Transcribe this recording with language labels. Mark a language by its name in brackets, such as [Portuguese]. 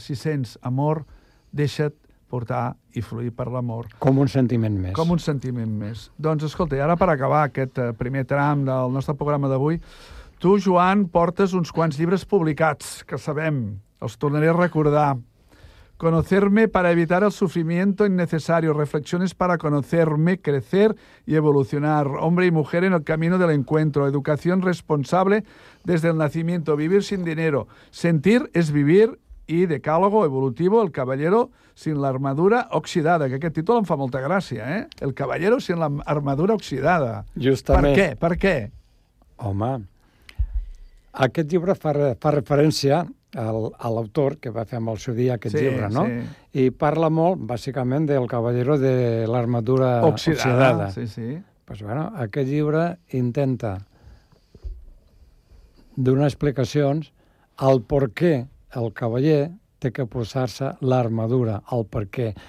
[Catalan] Si sents amor, deixa't portar i fluir per l'amor. Com un sentiment més. Com un sentiment més. Doncs, escolta, i ara per acabar aquest primer tram del nostre programa d'avui, tu, Joan, portes uns quants llibres publicats, que sabem, els tornaré a recordar. [Spanish] Conocerme para evitar el sufrimiento innecesario. Reflexiones para conocerme, crecer y evolucionar. Hombre y mujer en el camino del encuentro. Educación responsable desde el nacimiento. Vivir sin dinero. Sentir es vivir. Y decálogo evolutivo, el caballero sin la armadura oxidada. [Catalan] Que aquest títol em fa molta gràcia, eh? [Spanish] El caballero sin la armadura oxidada. [Catalan] Justament. Per què? Per què? Home, aquest llibre fa referència a l'autor que va fer amb el seu dia aquest llibre, no? Sí. I parla molt, bàsicament, del caballero de l'armadura oxidada. Sí, sí. [Spanish] Pues, bueno, [Catalan] aquest llibre intenta donar explicacions al per què el cavaller té que posar-se l'armadura, al per què.